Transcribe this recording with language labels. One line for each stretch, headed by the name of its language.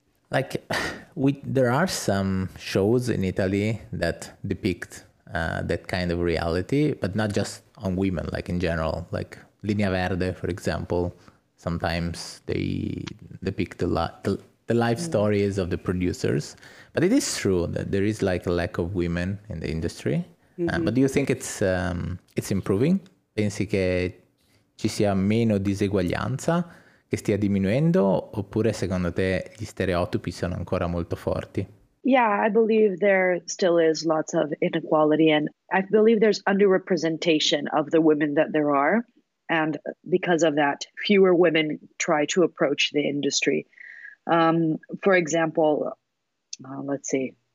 English: Like, there are some shows in Italy that depict that kind of reality, but not just on women, like in general, like Linea Verde, for example. Sometimes they depict the life stories of the producers. But it is true that there is like a lack of women in the industry. Mm-hmm. But do you think it's improving?
Italian: Pensi che ci sia meno diseguaglianza, che stia diminuendo? Oppure secondo te gli stereotipi sono ancora molto forti?
English: Yeah, I believe there still is lots of inequality. And I believe there's underrepresentation of the women that there are. And because of that, fewer women try to approach the industry. For example, let's see.